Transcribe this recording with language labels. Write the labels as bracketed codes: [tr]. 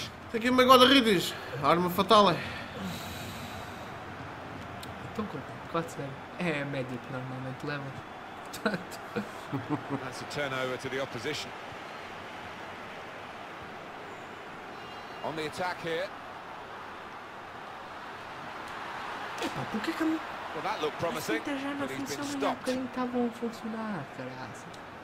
[pt] Tem aqui uma guarda-redes. Arma fatal. É tão curto. 4-0. É a média que normalmente leva. [en] That's a turnover to the opposition. On the attack here. [pt] Epa, por que que... [en] Well, that looked promising. [pt] Já não funcionou, porque ele estava a funcionar, caralho.